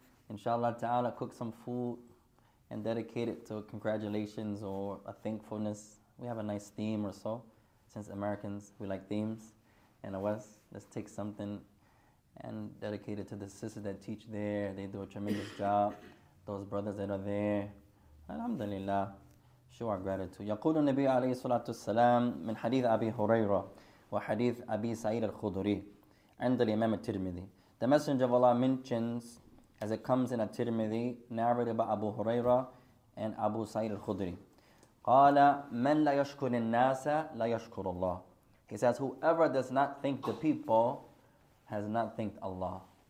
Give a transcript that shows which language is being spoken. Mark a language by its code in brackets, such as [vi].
[en] Inshallah ta'ala, cook some food and dedicate it to congratulations or a thankfulness. We have a nice theme or so. Since Americans, we like themes. In the West, let's take something and dedicate it to the sisters that teach there. They do a tremendous job. Those brothers that are there. Alhamdulillah. Show our gratitude. [ar] يقول النبي عليه الصلاة والسلام من حديث أبي هريرة وحديث أبي سعيد الخضري عند الإمام الترمذي. [en] The Messenger of Allah mentions, as it comes in a Tirmidhi, narrated by Abu Huraira and Abu Sa'id al-Khudri. قَالَ مَنْ لَيَشْكُرِ النَّاسَ لَيَشْكُرُ اللَّهِ. He says, whoever does not thank the people has not thanked Allah.